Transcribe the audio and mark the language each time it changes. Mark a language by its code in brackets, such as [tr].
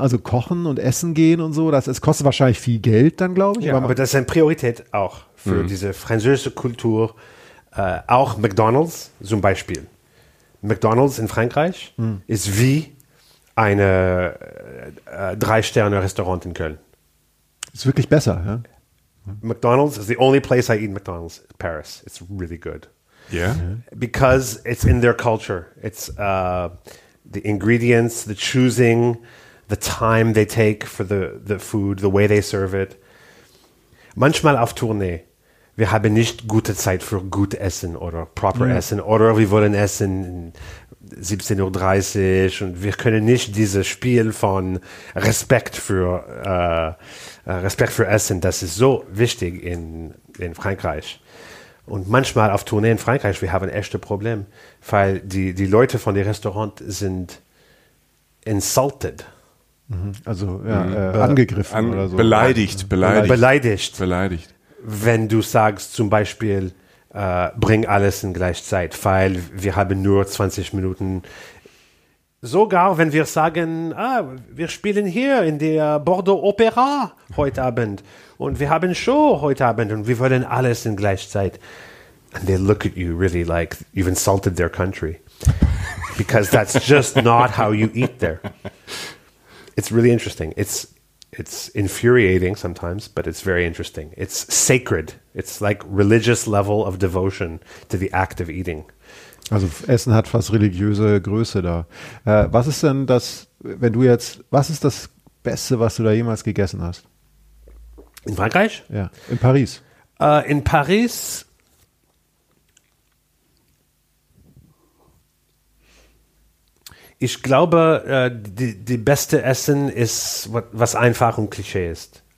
[de] Also kochen und essen gehen und so, das kostet wahrscheinlich viel Geld dann, glaube ich. Ja, aber das ist eine Priorität auch für diese französische Kultur. Auch McDonald's zum Beispiel. McDonald's in Frankreich ist wie eine 3-Sterne-Restaurant in Köln. Ist wirklich besser, ja? [en] McDonald's is the only place I eat McDonald's in Paris. It's really good. Yeah? Because it's in their culture. It's the ingredients, the choosing, the time they take for the food, the way they serve it. [de] Manchmal auf Tournee, wir haben nicht gute Zeit für gut Essen oder proper Essen oder wir wollen essen 17.30 Uhr und wir können nicht dieses Spiel von Respekt für Essen, das ist so wichtig in Frankreich. Und manchmal auf Tournee in Frankreich, wir haben echte Probleme, weil die Leute von den Restaurants sind [en] insulted. [de] Also angegriffen oder so. Beleidigt. Beleidigt. Wenn du sagst zum Beispiel, bring alles in Gleichzeit, weil wir haben nur 20 Minuten. Sogar wenn wir sagen, wir spielen hier in der Bordeaux Opera heute Abend und wir haben Show heute Abend und wir wollen alles in Gleichzeit. [en] And they look at you really like you've insulted their country. Because that's just not how you eat there. It's really interesting. It's infuriating sometimes, but it's very interesting. It's sacred. It's like religious level of devotion to the act of eating. [de] Also Essen hat fast religiöse Größe da. Was ist denn das, wenn du jetzt, was ist das Beste, was du da jemals gegessen hast? In Frankreich? Ja, in Paris. In Paris, ich glaube, die beste Essen ist, was einfach und Klischee ist.